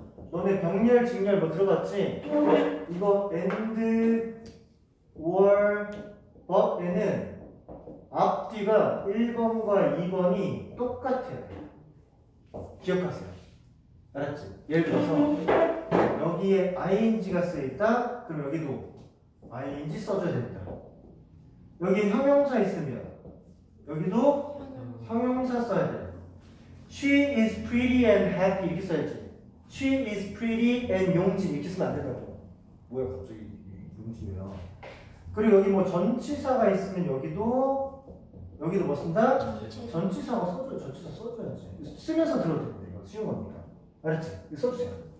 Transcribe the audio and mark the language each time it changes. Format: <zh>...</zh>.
<ko>너네 병렬, 직렬 뭐 들어봤지? 이거 and, or, but 얘는 앞뒤가 1번과 2번이 똑같아요. 기억하세요. 알았지? 예를 들어서 여기에 ing가 쓰여있다? 그럼 여기도 ing 써줘야 됩니다. 여기 형용사 있으면 여기도 형용사 써야 돼요.</ko> <en>She is pretty and happy</en> <ko>이렇게 써야지.</ko> <en>She is pretty and</en> <ko>용진 이렇게 쓰면 안 된다고. 뭐야 갑자기 용진이야. 그리고 여기 뭐 전치사가 있으면 여기도 뭐 쓴다? 전치사가 써줘야지. 쓰면서 들어도 돼요. 쉬운 겁니다. 알았지? 이거 써주세요.</ko>